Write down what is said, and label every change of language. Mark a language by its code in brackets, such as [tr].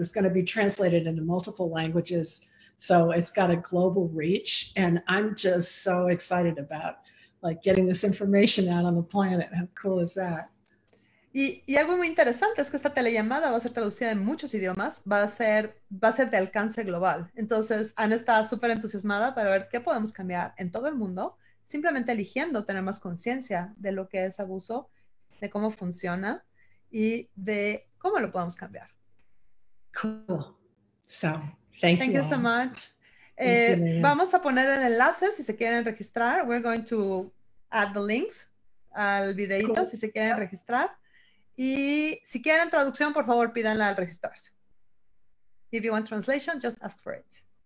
[en] It's going to be translated into multiple languages. So it's got a global reach and I'm just so excited about like getting this information out on the planet. How cool is that? [es] Y algo muy interesante es que esta telellamada va a ser traducida en muchos idiomas, va a ser de alcance global. Entonces, Ana está súper entusiasmada para ver qué podemos cambiar en todo el mundo, simplemente eligiendo tener más conciencia de lo que es abuso, de cómo funciona y de cómo lo podemos cambiar. [en] Cool. So, thank you. Thank you so much. [es] Vamos a poner el enlace si se quieren registrar. [en] We're going to add the links [es] al videito cool. Si se quieren registrar. Y si quieren traducción, por favor, pídanla al registrarse. [en] If you want translation, just ask for it.